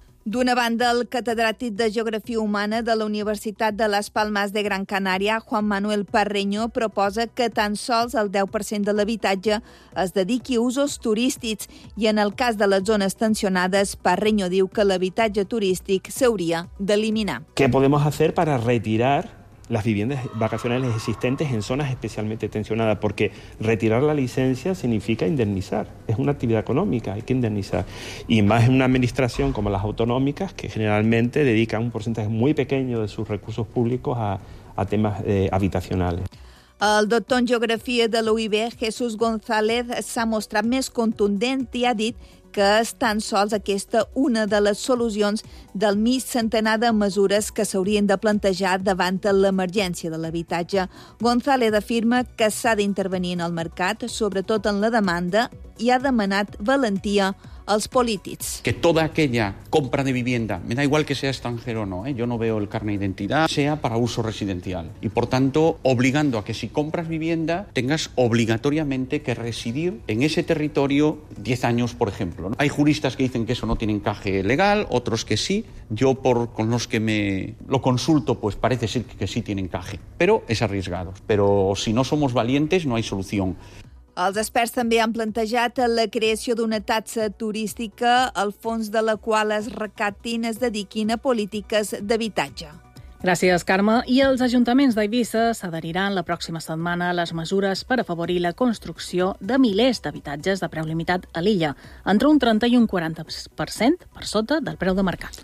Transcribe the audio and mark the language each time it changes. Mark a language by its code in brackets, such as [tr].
[ca] D'una banda, el catedràtic de Geografia Humana de la Universitat de Las Palmas de Gran Canària, Juan Manuel Parreño, proposa que tan sols el 10% de l'habitatge es dediqui a usos turístics i en el cas de les zones tensionades, Parreño diu que l'habitatge turístic s'hauria d'eliminar. [es] ¿Qué podemos hacer para retirar las viviendas vacacionales existentes en zonas especialmente tensionadas? Porque retirar la licencia significa indemnizar. Es una actividad económica, hay que indemnizar. Y más en una administración como las autonómicas, que generalmente dedican un porcentaje muy pequeño de sus recursos públicos a temas habitacionales. [ca] El doctor en geografia de l'UIB, Jesús González, s'ha mostrat més contundent i ha dit que és tan sols aquesta una de les solucions del mig centenar de mesures que s'haurien de plantejar davant l'emergència de l'habitatge. González afirma que s'ha d'intervenir en el mercat, sobretot en la demanda, i ha demanat valentia als polítics. [es] Que toda aquella compra de vivienda, me da igual que sea extranjero o no, yo no veo el carnet de identidad, sea para uso residencial. Y por tanto, obligando a que si compras vivienda, tengas obligatoriamente que residir en ese territorio 10 años, por ejemplo. Hay juristas que dicen que eso no tiene encaje legal, otros que sí. Yo, por con los que me lo consulto, pues parece ser que sí tiene encaje, pero es arriesgado. Pero si no somos valientes, no hay solución. [ca] Els experts també han plantejat la creació d'una taxa turística, el fons de la qual es recaptin es dediquin a polítiques d'habitatge. Gràcies, Carme. I els ajuntaments d'Eivissa s'adheriran la pròxima setmana a les mesures per afavorir la construcció de milers d'habitatges de preu limitat a l'illa, entre un 30 i un 40% per sota del preu de mercat.